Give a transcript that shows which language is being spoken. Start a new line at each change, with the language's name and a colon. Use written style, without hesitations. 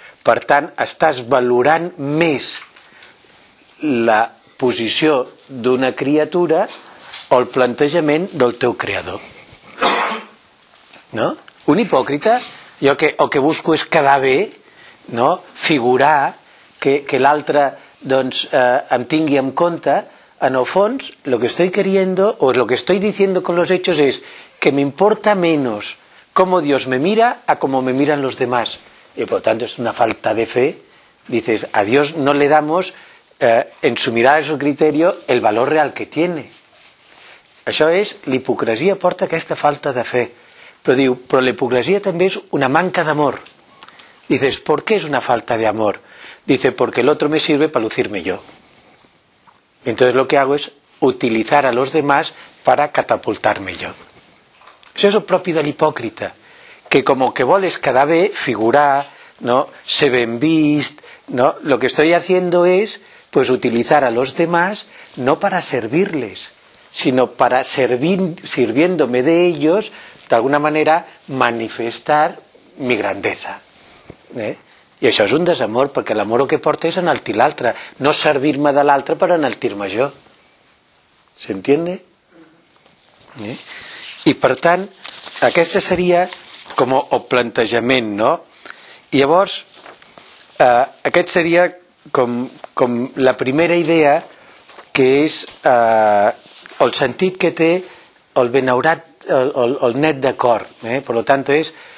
Catalan: Per tant, estàs valorant més la posició d'una criatura o el plantejament del teu creador. No? Un hipòcrita, jo que, el que busco és quedar bé, no? Figurar que l'altre doncs, em tingui en compte, en el fons,
Spanish: lo que estoy queriendo o lo que estoy diciendo con los hechos es que me importa menos cómo Dios me mira a cómo me miran los demás. Y por tanto es una falta de fe. Dices, a Dios no le damos en su mirada y su criterio el valor real que tiene.
Catalan: Això és, l'hipocresia porta aquesta falta de fe. Però diu, però l'hipocresia també és una manca d'amor.
Spanish: Dices, ¿por qué es una falta de amor? Dice, porque el otro me sirve para lucirme yo. Entonces lo que hago es utilizar a los demás para catapultarme yo. Eso es lo propio del hipócrita, que como que voles cada vez figurar, ¿no? Se ven vist, ¿no? Lo que estoy haciendo es pues utilizar a los demás no para servirles, sino para sirviéndome de ellos, de alguna manera manifestar mi grandeza.
Catalan: I això és un desamor, perquè l'amor el que porta és enaltir l'altre, no servir-me de l'altre per enaltir-me jo. ¿S'entiende? I per tant, aquesta seria com el plantejament, no? I llavors, aquest seria com la primera idea, que és el sentit que té el benaurat, el net de cor. Per tant, és...